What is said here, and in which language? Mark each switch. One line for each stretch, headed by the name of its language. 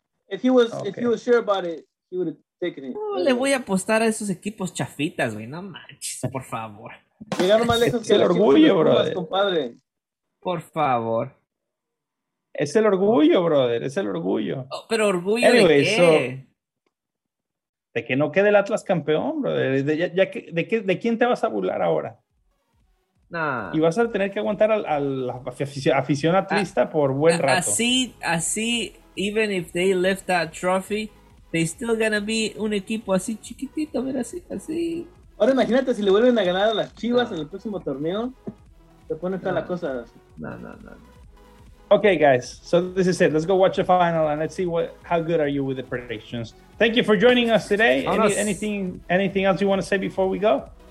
English: If he was sure about it, he would have taken it.
Spanish: No, le voy a apostar a esos equipos chafitas, güey. No manches, por favor. Llegaron más lejos es que el orgullo, brother. Compadre. Por favor. Es el orgullo, brother. Es el orgullo. Oh, pero orgullo anyway, de qué? So, de que no quede el Atlas campeón, bro. ¿De quién te vas a burlar ahora? Nah. Y vas a tener que aguantar a la afición atlista por buen rato.
English: Así, even if they lift that trophy, they still gonna be
Spanish: un equipo así chiquitito, mira, así. Ahora imagínate si le vuelven a ganar a las Chivas en el próximo torneo. Se pone toda la cosa así. No.
English: Okay, guys. So this is it. Let's go watch the final and let's see how good are you with the predictions. Thank you for joining us today. Anything else you want to say before we go?